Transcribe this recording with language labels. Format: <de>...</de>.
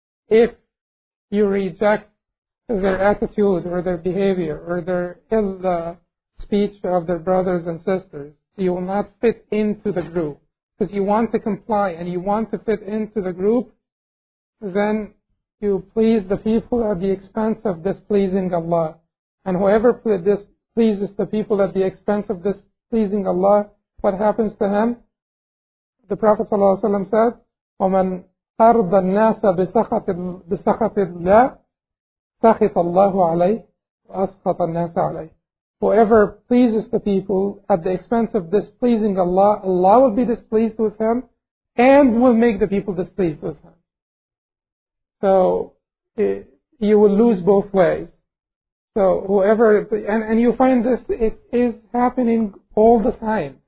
<en>if you reject their attitude or their behavior or their ill speech of their brothers and sisters, you will not fit into the group. Because you want to comply and you want to fit into the group, then you please the people at the expense of displeasing Allah. And whoever displeases the people at the expense of displeasing Allah, what happens to him? The Prophet ﷺ said,</en> <ar>وَمَنْ أَرْضَ النَّاسَ بِسَخَطِ اللَّهِ سَخِطَ اللَّهُ عَلَيْهِ وَأَسْخَطَ النَّاسَ عَلَيْهِ.</ar> <en>Whoever pleases the people at the expense of displeasing Allah, Allah will be displeased with him and will make the people displeased with him. So you will lose both ways. So whoever, and you find this, it is happening all the time.</en>